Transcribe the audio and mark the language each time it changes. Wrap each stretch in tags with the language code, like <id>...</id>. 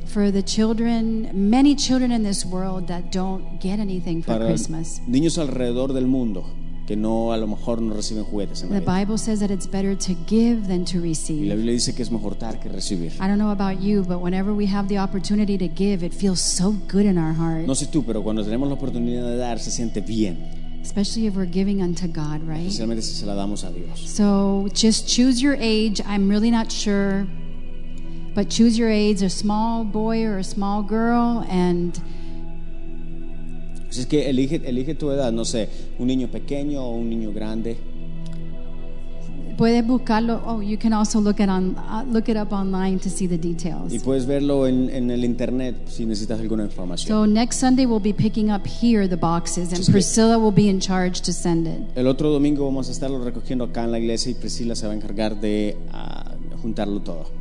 <en>For the children, many children in this world that don't get anything for</en> <es>para</es> <en>Christmas.</en> <es>Niños alrededor del mundo. que no, a lo mejor no reciben juguetes en</es> <en>la Bible says that it's better to give than to receive.</en> <es>Y la Biblia dice que es mejor dar que recibir.</es> <en>I don't know about you, but whenever we have the opportunity to give, it feels so good in our heart.</en> <es>No sé tú, pero cuando tenemos la oportunidad de dar, se siente bien.</es> <en>Especially if we're giving unto God, right?</en> <es>Especialmente si se la damos a Dios.</es> <en>So just choose your age. I'm really not sure, but choose your age, a small boy or a small girl, and</en> <es>así es que elige tu edad, no sé, un niño pequeño o un niño grande. Puedes buscarlo.</es> <en>Oh, you can also look it up online to see the details.</en> <es>Y puedes verlo en el internet si necesitas alguna información.</es> <en>So next Sunday we'll be picking up here the boxes, and Priscilla will be in charge to send it.</en> <es>El otro domingo vamos a estarlo recogiendo acá en la iglesia y Priscilla se va a encargar de juntarlo todo.</es>